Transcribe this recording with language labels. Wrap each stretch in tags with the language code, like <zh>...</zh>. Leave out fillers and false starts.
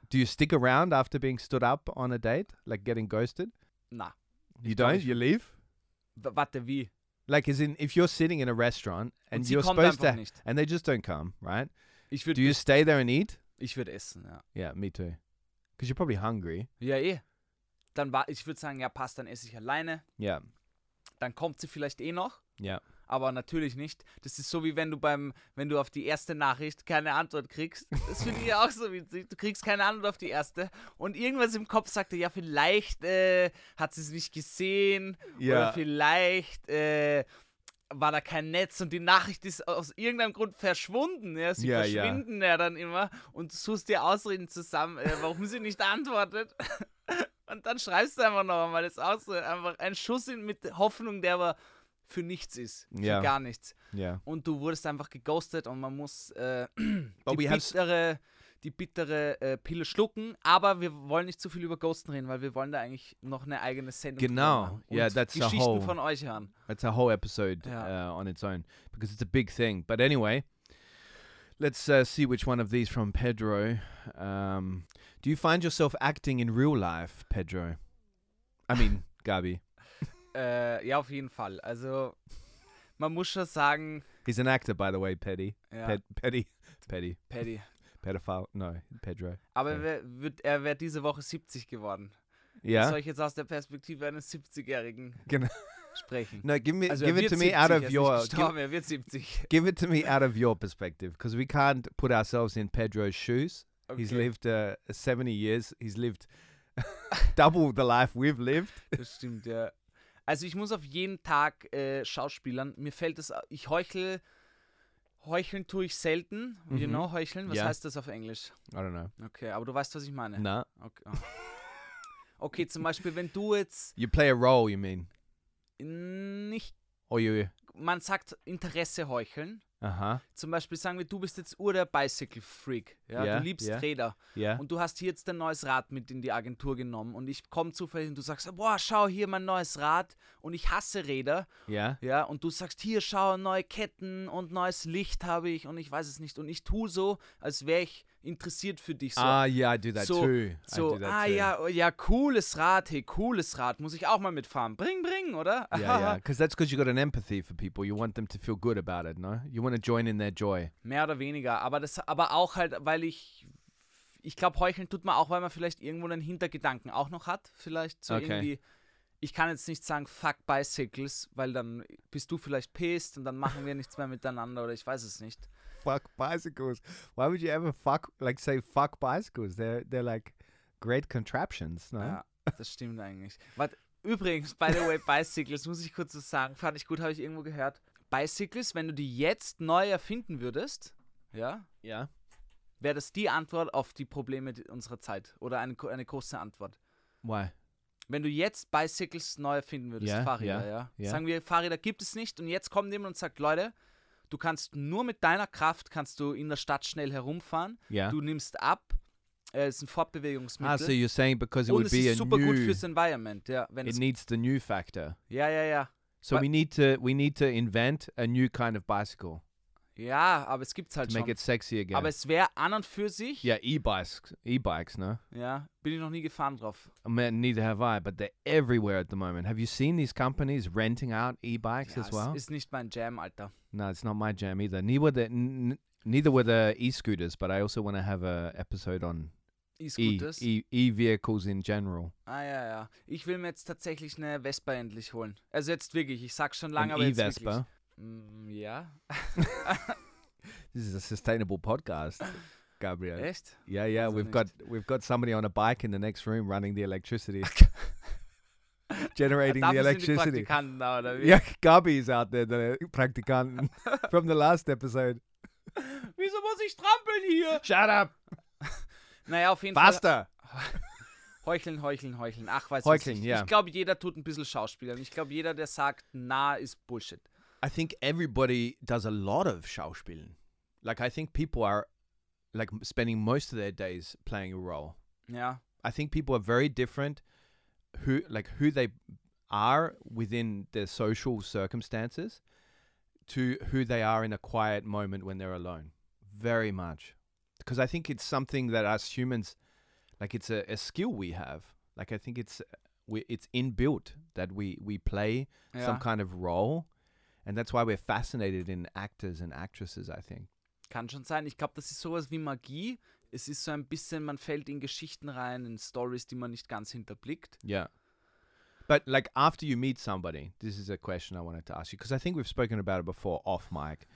<en>Do you stick around after being stood up on a date? Like getting ghosted? Nah. You don't? You leave?</en> <de>Warte, wie?</de> <en>Like, as in, if you're sitting in a restaurant and you're supposed to...</en> <de>Nicht.</de> <en>And they just don't come, right?</en> <de>Ich würd,</de> <en>do you stay there and eat?</en> <de>Ich würde essen, ja.</de> <en>Yeah, me too. Because you're probably hungry.</en> <de>Ja, eh. Dann war, ich würde sagen, ja, passt, dann esse ich alleine.</de> <en>Yeah.</en> <de>Dann kommt sie vielleicht eh noch.</de> <en>Yeah.</en> <de>Aber natürlich nicht. Das ist so, wie wenn du auf die erste Nachricht keine Antwort kriegst. Das finde ich ja auch so witzig. Du kriegst keine Antwort auf die erste. Und irgendwas im Kopf sagt dir, ja, vielleicht hat sie es nicht gesehen. Ja. Oder vielleicht war da kein Netz und die Nachricht ist aus irgendeinem Grund verschwunden. Ja? Sie, ja, verschwinden, ja, ja, dann immer. Und du suchst dir Ausreden zusammen, warum sie nicht antwortet. Und dann schreibst du einfach noch einmal das aus. Einfach ein Schuss mit Hoffnung, der aber für nichts ist, für,</de> <en>yeah,</en> <de>gar nichts.</de> <en>Yeah.</en> <de>Und du wurdest einfach geghostet und man muss die bittere, die bittere Pille schlucken. Aber wir wollen nicht zu viel über Ghosten reden, weil wir wollen da eigentlich noch eine eigene Sendung machen. Genau.</de> <en>Yeah, that's</en> <de>Geschichten</de> <en>a whole,</en> <de>von euch hören.</de> <en>That's a whole episode on its own. Because it's a big thing. But anyway, let's see which one of these from Pedro. Do you find yourself acting in real life, Pedro? I mean, Gabi.</en> <de>Ja, auf jeden Fall. Also, man muss schon sagen...</de> <en>He's an actor, by the way, Paddy. Paddy. Pedophile. No, Pedro.</en> <de>Aber er wäre diese Woche 70 geworden. Ja. Soll ich jetzt aus der Perspektive eines 70-Jährigen sprechen?</de> <en>No,</en> <de>er wird 70.</de> <en>Give it to me out of your perspective, because we can't put ourselves in Pedro's shoes. Okay. He's lived 70 years. He's lived double the life we've lived.</en> <de>Das stimmt, ja. Also ich muss auf jeden Tag schauspielern. Mir fällt es, ich heuchle, heucheln tue ich selten.</de> <en>You know,</en> <de>heucheln, was heißt das auf Englisch?</de> <en>I don't know.</en> <de>Okay, aber du weißt, was ich meine.</de> <en>No.</en> <de>Okay, okay, zum Beispiel, wenn du jetzt...</de> <en>You play a role, you mean?</en> <de>Nicht... Oje. Man sagt Interesse heucheln. Aha. Zum Beispiel sagen wir, du bist jetzt der Bicycle-Freak. Ja?</de> <en>Yeah,</en> <de>du liebst Räder.</de> <en>Yeah.</en> <de>Und du hast hier jetzt dein neues Rad mit in die Agentur genommen. Und ich komme zufällig und du sagst, boah, schau, hier mein neues Rad. Und ich hasse Räder.</de> <en>Yeah.</en> <de>Ja. Und du sagst, hier, schau, neue Ketten und neues Licht habe ich. Und ich weiß es nicht. Und ich tue so, als wäre ich interessiert für dich.</de> <en>Ah, ja, I do that too.</en> <de>Ja, cooles Rad. Hey, cooles Rad. Muss ich auch mal mitfahren. Bring, bring, oder?</de> <en>Because that's because you got an empathy for people. You want them to feel good about it, no? You want to join in their joy.</en> <de>Mehr oder weniger. Aber auch halt, weil ich glaube, heucheln tut man auch, weil man vielleicht irgendwo einen Hintergedanken auch noch hat. Vielleicht so irgendwie, ich kann jetzt nicht sagen,</de> <en>fuck Bicycles,</en> <de>weil dann bist du vielleicht pissed und dann machen wir nichts mehr miteinander oder ich weiß es nicht.</de> <en>Fuck bicycles. Why would you ever say fuck bicycles? They're like great contraptions, no?</en> <de>Ja, das stimmt eigentlich. Warte, übrigens,</de> <en>by the way,</en> <de>bicycles, muss ich kurz was sagen, fand ich gut, habe ich irgendwo gehört. Bicycles, wenn du die jetzt neu erfinden würdest, ja? Ja. Wäre das die Antwort auf die Probleme unserer Zeit? Oder eine große Antwort?</de> <en>Why?</en> <de>Wenn du jetzt Bicycles neu erfinden würdest, sagen wir, Fahrräder gibt es nicht und jetzt kommt jemand und sagt, Leute, du kannst nur mit deiner Kraft, kannst du in der Stadt schnell herumfahren.</de> <en>Yeah.</en> <de>Du nimmst ab. Es ist ein Fortbewegungsmittel.</de> <en>Ah, so you're saying because it</en> <de>und</de> <en>would be a new...</en> <de>Und es ist super gut fürs Environment. Ja, wenn</de> <en>it</en> <de>es</de> <en>needs the new factor.</en> <de>Ja, ja, ja.</de> <en>So we need to invent a new kind of bicycle.</en> <de>Ja, aber es gibt's halt</de> <en>to</en> <de>schon.</de> <en>To make it sexy again.</en> <de>Aber es wäre an und für sich... Ja, e-bikes, ne? Ja, bin ich noch nie gefahren drauf.</de> <en>Man, neither have I, but they're everywhere at the moment. Have you seen these companies renting out e-bikes as well?</en> <de>Ja, ist nicht mein Jam, Alter.</de> <en>No, it's not my jam either. Neither were the e-scooters, but I also want to have a episode on e-scooters. E-vehicles in general.</en> <de>Ah, ja, ja. Ich will mir jetzt tatsächlich eine Vespa endlich holen. Also jetzt wirklich, ich sag's schon lange,</de> <en>an</en> <de>aber E-Vespa. Jetzt wirklich... Ja.</de> <en>This is a sustainable podcast, Gabriel.</en> <de>Echt?</de> <en>Yeah, yeah. Also we've got somebody on a bike in the next room running the electricity. Generating the electricity.</en> <de>Die Praktikanten da, oder wie?</de> <en>Yeah, Gabi is out there, the Praktikanten from the last episode.</en> <de>Wieso muss ich trampeln hier?</de> <en>Shut up!</en> <de>Naja, auf jeden</de> <en>Faster.</en> <de>Fall.</de> <en>Faster!</en> <de>Heucheln. Ach, weiß ich nicht.</de> <en>Yeah.</en> <de>Ich glaube, jeder tut ein bisschen Schauspielern. Ich glaube, jeder, der sagt, nah, ist Bullshit.</de> <en>I think everybody does a lot of Schauspielen. Like, I think people are, like, spending most of their days playing a role. Yeah. I think people are very different, who they are within their social circumstances to who they are in a quiet moment when they're alone. Very much. Because I think it's something that us humans, like, it's a skill we have. Like, I think it's inbuilt that we play some kind of role. And that's why we're fascinated in actors and actresses, I think.</en> <de>Kann schon sein. Ich glaube, das ist sowas wie Magie. Es ist so ein bisschen, man fällt in Geschichten rein, in Stories, die man nicht ganz hinterblickt.</de> <en>Yeah. But like after you meet somebody, this is a question I wanted to ask you, because I think we've spoken about it before off mic.</en>